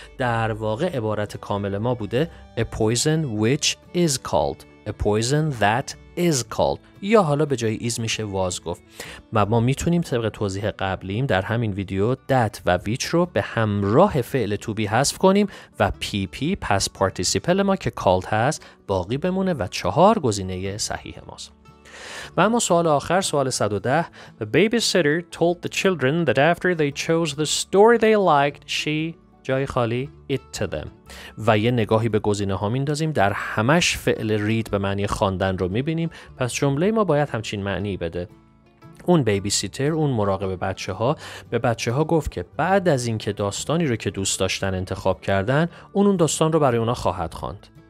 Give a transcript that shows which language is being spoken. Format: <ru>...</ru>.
<fa>در واقع عبارت کامل ما بوده</fa> <en>a poison which is called، a poison that is called،</en> <fa>یا حالا به جای is میشه was گفت. و ما میتونیم طبق توضیح قبلیم در همین ویدیو that و which رو به همراه فعل to be حذف کنیم و pp past participle ما که called هست باقی بمونه و 4 گزینه صحیح ماست. و اما سوال آخر، سوال 110.</fa> <en>The babysitter told the children that after they chose the story they liked she</en> <fa>جای خالی</fa> <en>it to them.</en> <fa>و یه نگاهی به گزینه ها میندازیم، در همش فعل read به معنی خواندن رو میبینیم، پس جمله ما باید همچین معنی بده. اون بیبی سیتر، اون مراقب بچه ها، به بچه ها گفت که بعد از اینکه داستانی رو که دوست داشتن انتخاب کردن، اون داستان رو برای اونا خواهد خواند.</fa>